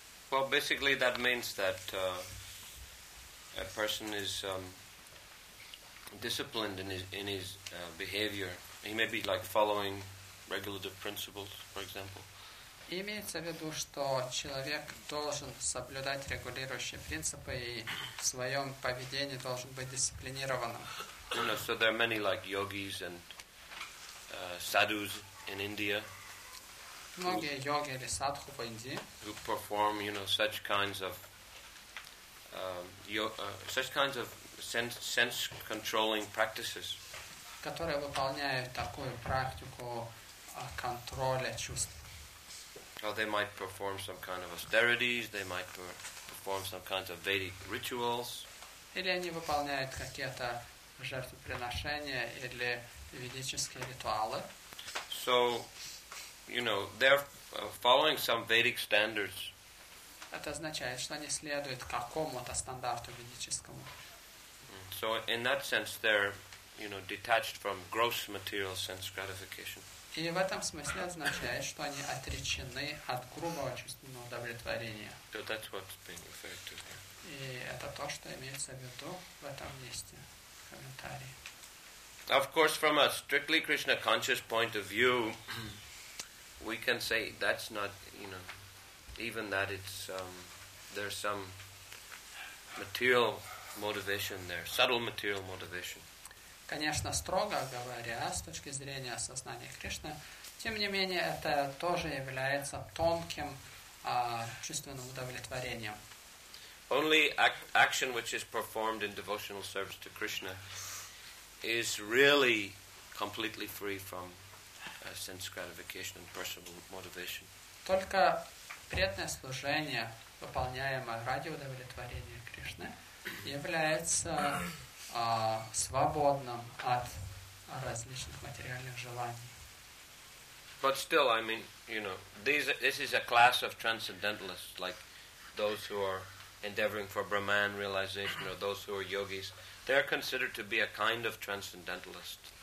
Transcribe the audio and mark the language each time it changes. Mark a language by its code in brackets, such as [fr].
[en] Well, basically, that means that a person is disciplined in his behavior. He may be like following regulative principles, for example. [ru] Имеется в виду, что человек должен соблюдать регулирующие принципы и в своем поведении должен быть дисциплинированным. [en] You know, so there are many like yogis and sadhus in India. [ru] Многие йоги или садху в Индии, [en] who perform, such kinds of sense controlling practices, [ru] которые выполняют такую практику контроля чувств. [en] Or they might perform some kind of austerities, they might perform some kinds of Vedic rituals. [ru] Или они выполняют какие-то жертвоприношения или ведические ритуалы. [en] So they're following some Vedic standards. [ru] Это означает, что они следуют какому-то стандарту ведическому. [en] So in that sense, they're, detached from gross material sense gratification. [ru] И в этом смысле означает, что они отречены от грубого чувственного удовлетворения. [en] So that's what's being referred to here. [ru] И это то, что имеется в виду в этом месте, в комментарии. [en] Of course, from a strictly Krishna conscious point of view, we can say that's not, even that it's, there's some material motivation there, subtle material motivation. [ru] Конечно, строго говоря, с точки зрения сознания Кришны, тем не менее, это тоже является тонким чувственным удовлетворением. [en] Only action which is performed in devotional service to Krishna is really completely free from sense gratification and personal motivation. [ru] Только преданное служение, выполняемое ради удовлетворения Кришны, является свободным от различных материальных желаний. [en] But still, this is a class of transcendentalists, like those who are endeavoring for Brahman realization or those who are yogis. They are considered to be a kind of transcendentalist.